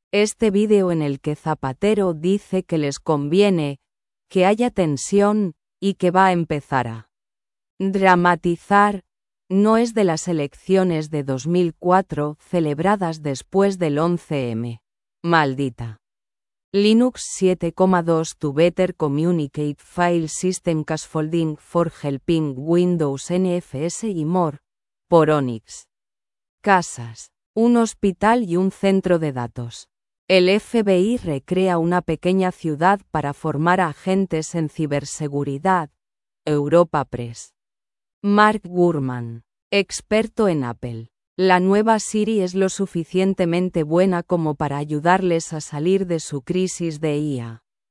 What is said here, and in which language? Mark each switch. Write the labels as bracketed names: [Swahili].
[Spanish] Este vídeo en el que Zapatero dice que les conviene, que haya tensión, y que va a empezar a dramatizar, no es de las elecciones de 2004 celebradas después del 11M. Maldita. [English] Linux 7.2 to better communicate file system scaffolding for helping Windows NFS y more. [Spanish] Por Onyx. Casas. Un hospital y un centro de datos. El FBI recrea una pequeña ciudad para formar agentes en ciberseguridad. Europa Press. Mark Gurman. Experto en Apple. La nueva Siri es lo suficientemente buena como para ayudarles a salir de su crisis de IA.